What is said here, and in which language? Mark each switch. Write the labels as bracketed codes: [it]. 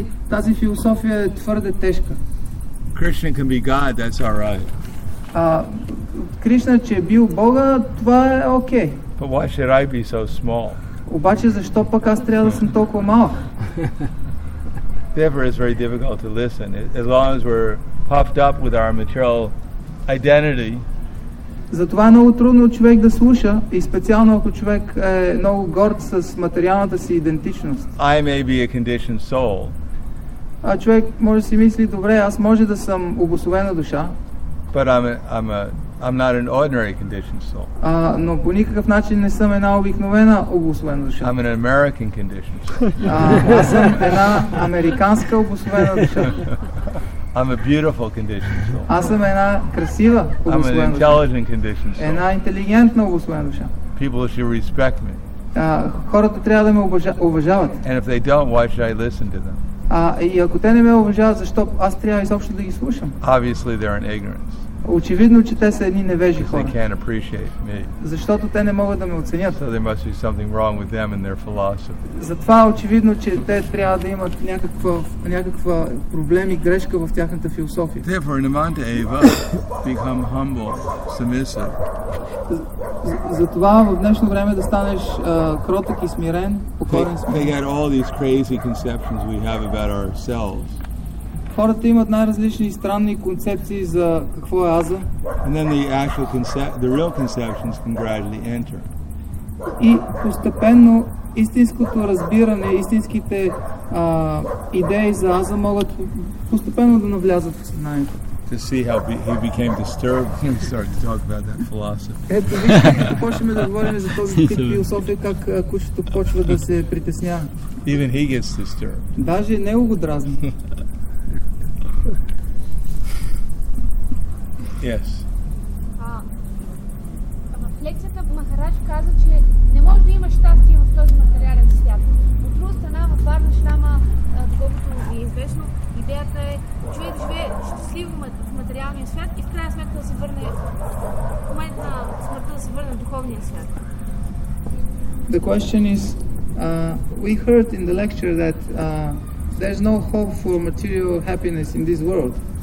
[bg] Тази философия е твърде тежка. [en] Krishna can be God, that's all right. [bg] Кришна, че е бил Бога, това е окей. [en] But why should I be so small? [bg] Обаче защо пък аз трябва да съм толкова малък? [en] Therefore, it's very difficult to listen. As long as we're puffed up with our material identity. [bg] Затова е много трудно човек да слуша и специално ако човек е много горд с материалната си идентичност. [en] I may be a conditioned soul. [bg] А човек може да си мисли, добре, аз може да съм обусловена душа. [en] But I'm not an ordinary conditioned soul. [bg] Но по никакъв начин не съм една обикновена обусловена душа. [en] I'm an American conditioned soul. [bg] Аз съм една американска обусловена душа. [en] I'm a beautiful conditioned soul. [bg] Аз съм една красива обусловена душа. [en] I'm an intelligent conditioned soul. [bg] Една интелигентна обусловена душа. [en] People should respect me. [bg] Хората трябва да ме уважават. [en] And if they don't, why should I listen to them? [bg] И ако те не ме уважават, защо аз трябва изобщо да ги слушам? [en] Obviously they're in ignorance. [bg] Очевидно, че те са едни невежи хора. [en] They can't appreciate me. [bg] Защото те не могат да ме оценят. [en] So there must be something wrong with them and their philosophy. [bg] Затова очевидно, че те трябва да имат някаква проблем и грешка в тяхната философия. [en] Therefore, Namanta Eva become humble, submissive. [bg] Затова в днешно време да станеш кроток и смирен, покорен смирен. [en] They got all these crazy conceptions we have about ourselves. [bg] Хората имат най-различни странни концепции за какво е аза. [en] And then the real conceptions can gradually enter. [bg] И постепенно истинското разбиране, истинските идеи за аза могат постепенно да навлязат в съзнанието. [en] To see how he became disturbed when we started to talk about that philosophy. [bg] Ето вижте, като почваме да говорим за този тип философия, как кучето почва да се притеснява. [en] Even he gets disturbed. [bg] Даже и него го дразни. [en] Yes. [bg] В лекцията Махарадж каза, че не може да има щастие в този материален свят. От друга страна, в Варнашрама, доколкото ви е известно, идеята е човек да живее щастливо в материалния свят и в крайна сметка да се върне в момент на смъртта да се върне в духовния свят. [en] The question is, we heard in the lecture that there's no hope for material happiness in this world.